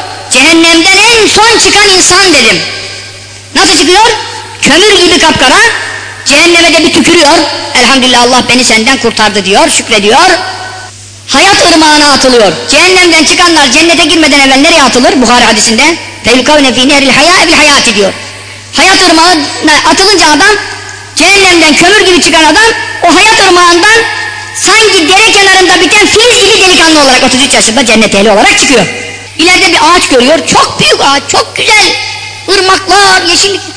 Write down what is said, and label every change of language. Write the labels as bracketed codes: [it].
[tr] Cehennemden en son çıkan insan dedim. Nasıl çıkıyor? Kömür gibi kapkara, cehenneme de bir tükürüyor. Elhamdülillah Allah beni senden kurtardı diyor, şükrediyor. Hayat ırmağına atılıyor. Cehennemden çıkanlar cennete girmeden evvel nereye atılır? Buhari hadisinde. [ar] فَيُلْقَوْنَ ف۪ي نَهْرِ الْحَيَاءِ بِالْحَيَاتِ [tr] diyor. Hayat ırmağına atılınca adam, cehennemden kömür gibi çıkan adam, o hayat ırmağından sanki dere kenarında biten filiz gibi delikanlı olarak 33 yaşında cennet ehli olarak çıkıyor. İleride bir ağaç görüyor. Çok büyük ağaç, çok güzel. Irmaklar, yeşillik.